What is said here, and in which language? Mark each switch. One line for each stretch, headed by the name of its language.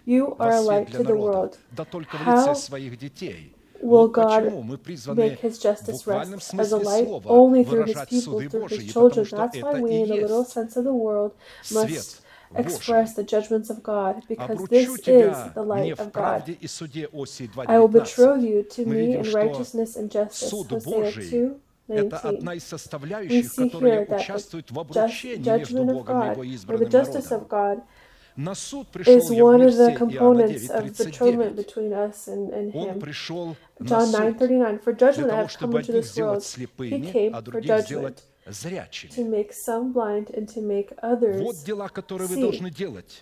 English: You are a light to the world. How will God make his justice rest as a light? Only through his people, through his children. That's why we, in the literal sense of the world, must express the judgments of God, because this is the light of God. I will betroth you to me in righteousness and justice. Hosea 2:19.
Russian: Это одна из составляющих, которая участвует в обручении между Богом и его избранным народом.
English: Is one of the components of the betrothment between us and him. John 9:39, for judgment I have come into this world. He came for judgment, to make some blind and to make others see.